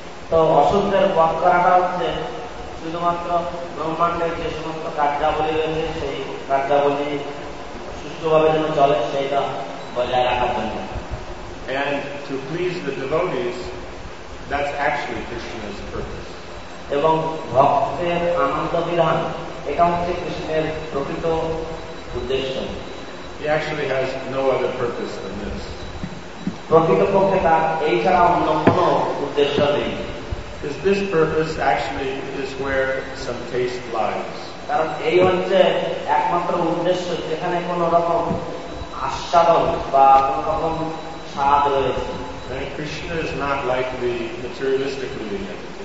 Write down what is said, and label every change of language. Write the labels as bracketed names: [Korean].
[Bangla] So অসুরদের বধ করাটা হচ্ছে শুধুমাত্র ব্রহ্মাণ্ডের যে সমস্ত কার্যাবলী রয়েছে সেই কার্যাবলী সুষ্ঠুভাবে যেন চলে সেইটা বজায় রাখার জন্য. [English] And to please the devotees, that's actually Krishna's purpose. [Bangla] এবং ভক্তের আনন্দ বিধান এটা হচ্ছে কৃষ্ণের প্রকৃত উদ্দেশ্য. [English] He actually has no other purpose than this. [Bangla] প্রকৃতপক্ষে তার এই ছাড়া অন্য কোনো উদ্দেশ্য নেই. [English] Is this purpose actually is where some taste lies? [Bangla] কারণ এই হচ্ছে একমাত্র উদ্দেশ্য যেখানে কোন রকম আস্বাদন বা কোন রকম স্বাদ রয়েছে. [English] And Krishna is not like the materialistic religion.